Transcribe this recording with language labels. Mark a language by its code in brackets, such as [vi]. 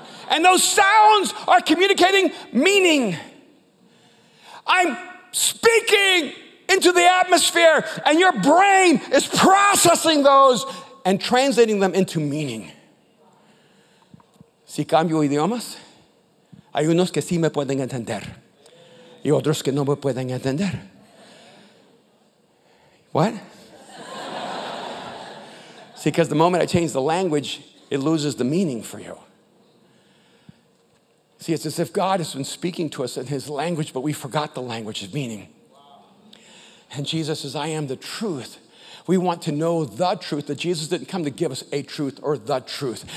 [en] And those sounds are communicating meaning. I'm speaking into the atmosphere, and your brain is processing those and translating them into meaning. [es] Si cambio idiomas, hay unos que sí me pueden entender y otros que no me pueden entender. [en] What? See, because the moment I change the language, it loses the meaning for you. See, it's as if God has been speaking to us in his language, but we forgot the language of meaning. And Jesus says, I am the truth. We want to know the truth, that Jesus didn't come to give us a truth or the truth.